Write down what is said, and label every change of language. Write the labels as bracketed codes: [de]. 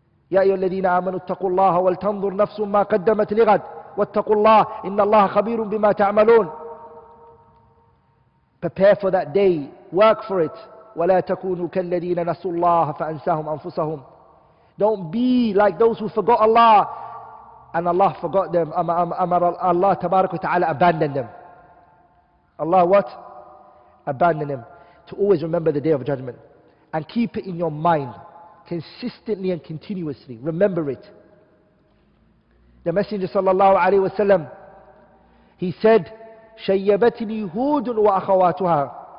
[ar] يا أيها الذين آمنوا اتقوا الله ولتنظر نفس ما قدمت لغد واتقوا الله إن الله خبير بما تعملون. [en] Prepare for that day, work for it. [ar] ولا تكونوا كالذين نسوا الله فأنساهم أنفسهم. [en] Don't be like those who forgot Allah and Allah forgot them. [ar] أمر الله تبارك وتعالى abandon them. [en] Allah what? Abandon them. To always remember the day of judgment and keep it in your mind. Consistently and continuously remember it. The Messenger sallallahu alayhi wa sallam, he said, شَيَّبَتْنِي هُودٌ وَأَخَوَاتُهَا.